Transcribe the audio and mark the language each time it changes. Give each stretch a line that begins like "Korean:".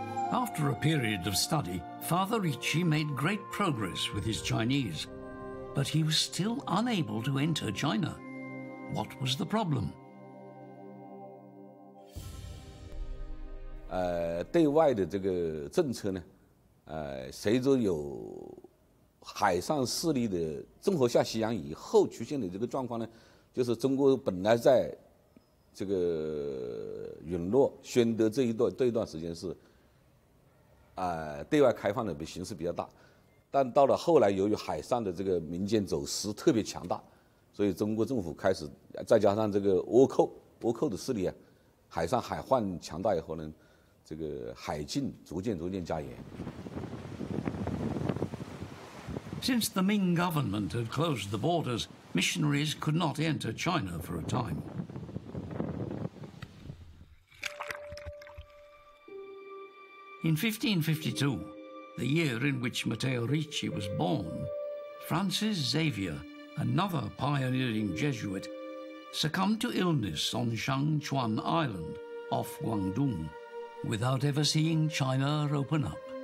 English: After a period of study, Father Ricci made great progress with his Chinese, but he was still unable to enter China. What was the problem?
Chinese: 对外的这个政策呢，随着有海上势力的郑和下西洋以后出现的这个状况呢，就是中国本来在这个允诺宣德这一段时间是对外开放的形势比较大，但到了后来由于海上的这个民间走私特别强大，所以中国政府开始再加上这个倭寇的势力啊，海上海患强大以后呢，这个海禁逐渐加严。
English: Since the Ming government had closed the borders, missionaries could not enter China for a time. In 1552, the year in which Matteo Ricci was born, Francis Xavier, another pioneering Jesuit, succumbed to illness on Shangchuan Island off Guangdong without ever seeing China open up.